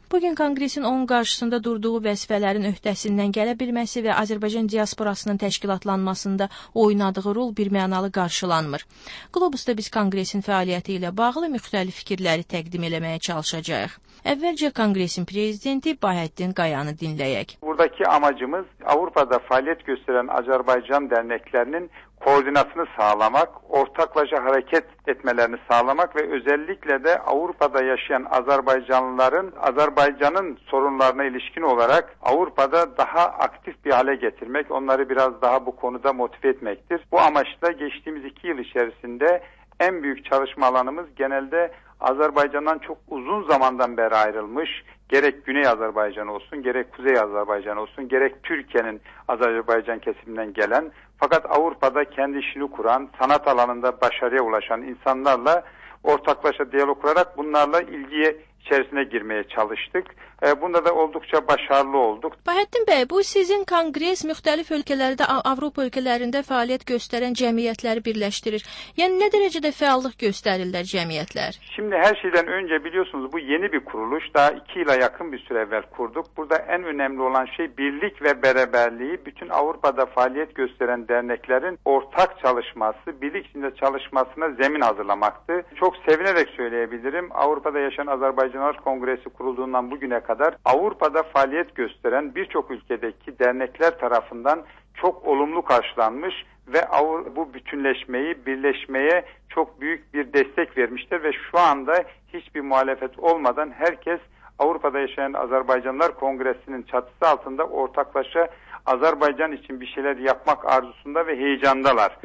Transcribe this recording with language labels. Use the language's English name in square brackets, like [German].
[Azerbaijani] Bugün Konqresin onun qarşısında durduğu vəzifələrin öhdəsindən gələ bilməsi və Azərbaycan diasporasının təşkilatlanmasında oynadığı rol bir mənalı qarşılanmır. Globusda biz Konqresin fəaliyyəti ilə bağlı müxtəlif fikirləri təqdim eləməyə çalışacağıq. Əvvəlcə Konqresin prezidenti Bahəddin Qayanı dinləyək. [Turkish] Buradakı amacımız Avropada [Azerbaijani] fəaliyyət göstərən Azərbaycan dərnəklərinin [Turkish] koordinasını sağlamak, ortaklaşa hareket etmelerini sağlamak ve özellikle de Avrupa'da yaşayan Azerbaycanlıların Azerbaycan'ın sorunlarına ilişkin olarak Avrupa'da daha aktif bir hale getirmek, onları biraz daha bu konuda motive etmektir. Bu amaçla geçtiğimiz 2 yıl içerisinde en büyük çalışma alanımız genelde Azerbaycan'dan çok uzun zamandan beri ayrılmış, gerek Güney Azerbaycan olsun, gerek Kuzey Azerbaycan olsun, gerek Türkiye'nin Azerbaycan kesiminden gelen fakat Avrupa'da kendi işini kuran, sanat alanında başarıya ulaşan insanlarla ortaklaşa diyalog kurarak bunlarla ilgiye içerisine girmeye çalıştık. Bunda da oldukça başarılı olduk. [Azerbaijani] Bahəddin Bey, bu sizin kongres müxtəlif ölkələrdə, Avropa ölkələrində fəaliyyət göstərən cəmiyyətləri birləşdirir. Yəni, nə dərəcədə fəallıq göstərirlər cəmiyyətlər? [Turkish] Şimdi her şeyden önce biliyorsunuz bu yeni bir kuruluş. Daha 2 ila yakın bir süre evvel kurduk. Burada en önemli olan şey birlik ve beraberliği. Bütün Avrupa'da [Azerbaijani] fəaliyyət göstərən dərnəklərin [Turkish] ortak çalışması, birlik içinde çalışmasına zemin hazırlamaktı. Çok sevinerek söyleyebilirim. Avrupa'da yaşayan Azerbaycanlar Kongresi kurulduğundan bugüne kadar Avrupa'da faaliyet gösteren birçok ülkedeki dernekler tarafından çok olumlu karşılanmış ve bu bütünleşmeyi, birleşmeye çok büyük bir destek vermiştir ve şu anda hiçbir muhalefet olmadan herkes Avrupa'da yaşayan Azerbaycanlar Kongresi'nin çatısı altında ortaklaşa Azerbaycan için bir şeyler yapmak arzusunda ve heyecandalar.